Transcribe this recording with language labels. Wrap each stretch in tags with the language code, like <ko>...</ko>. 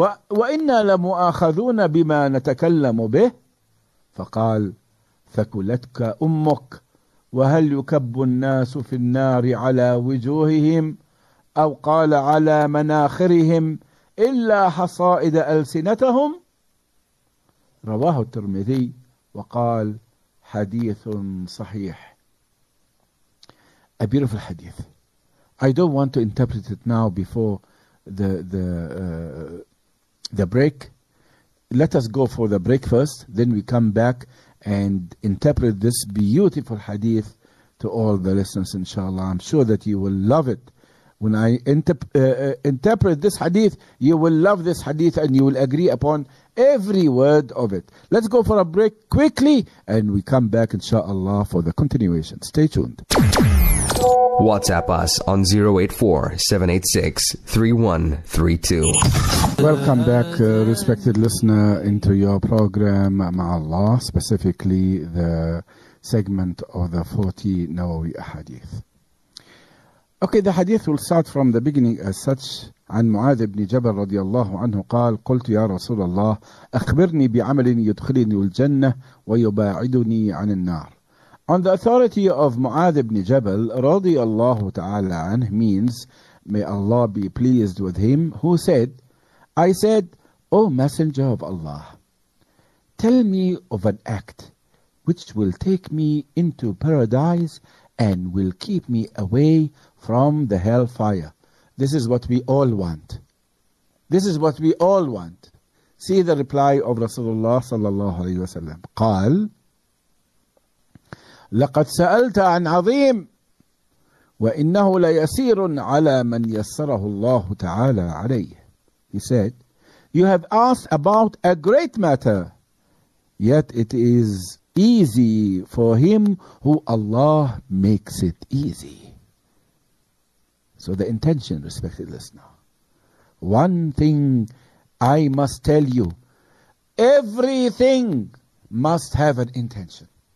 <ar>وإنا لمؤاخذون بما نتكلم به فقال ثكلتك أمك وهل يكب الناس في النار على وجوههم أو قال على مناخرهم إلا حصائد ألسنتهم رواه الترمذي وقال حديث صحيح.</ar> <en>A beautiful hadith. I don't want to interpret it now before the break. Let us go for the break first, then we come back and interpret this beautiful hadith to all the listeners, inshallah. I'm sure that you will love it. When I interpret this hadith, you will love this hadith and you will agree upon every word of it. Let's go for a break quickly and we come back, inshallah, for the continuation. Stay tuned. WhatsApp us on 084-786-3132. Welcome back, respected listener, into your program, Ma'Allah, specifically the segment of the 40 Nawawi Ahadith. Okay, the hadith will start from the beginning as such.</en> <ar>عن معاذ بن جبل رضي الله عنه قال قلت يا رسول الله أخبرني بعمل يدخلني الجنة ويباعدني عن النار.</ar> <en>On the authority of Mu'adh ibn Jabal, radiallahu ta'ala anhu, means, may Allah be pleased with him, who said, I said, O Messenger of Allah, tell me of an act which will take me into paradise and will keep me away from the hellfire. This is what we all want. This is what we all want. See the reply of Rasulullah sallallahu alayhi wa sallam.</en> <ar>قال, لقد سألت عن عظيم وإنه ليسير على من يسره الله تعالى عليه.</ar> <en>He said, you have asked about a great matter, yet it is easy for him who Allah makes it easy. So the intention, respected listener, one thing I must tell you, everything must have an intention.</en>